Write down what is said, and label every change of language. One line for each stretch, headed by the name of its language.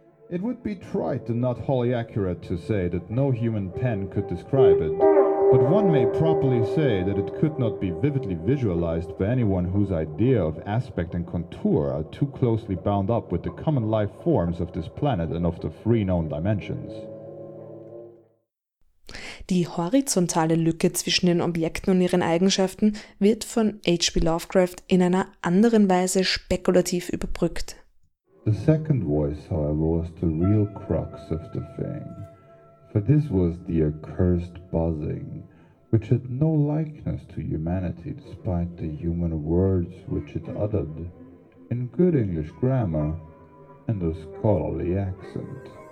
English: It would be trite and not wholly accurate to say that no human pen could describe it, but one may properly say that it could not be vividly visualized by anyone whose idea of aspect and contour are too closely bound up with the common life forms of this planet and of the three known dimensions.
German: Die horizontale Lücke zwischen den Objekten und ihren Eigenschaften wird von H.P. Lovecraft in einer anderen Weise spekulativ überbrückt.
English: The second voice, however, was the real crux of the thing, for this was the accursed buzzing, which had no likeness to humanity despite the human words which it uttered, in good English grammar and a scholarly accent.